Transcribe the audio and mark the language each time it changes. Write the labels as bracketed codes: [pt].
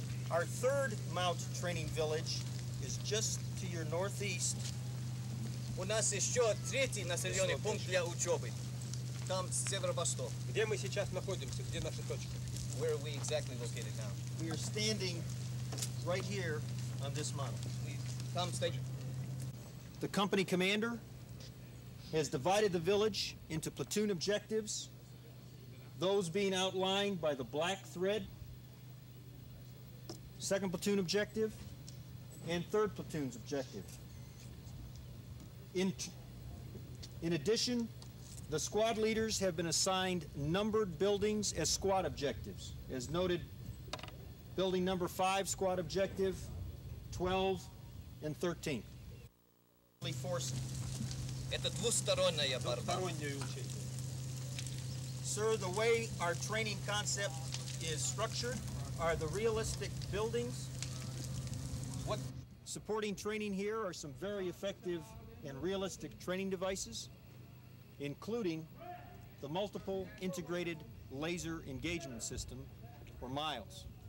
[en] Our third MOUT training village is just to your northeast. [ru] У нас еще третий населенный пункт для учебы. Там северо-восток. Где мы сейчас находимся? Где наша точка? [en] Where are we exactly located now? We are standing right here on this MOUT. [ru] Там стоим. [en] The company commander has divided the village into platoon objectives. Those being outlined by the black thread, second platoon objective, and third platoon's objective. In addition, the squad leaders have been assigned numbered buildings as squad objectives. As noted, building number 5, squad objective, 12, and 13. Force. [ru] Это двусторонняя борьба. [en] Sir, the way our training concept is structured are the realistic buildings. What supporting training here are some very effective and realistic training devices, including the multiple integrated laser engagement system, or MILES.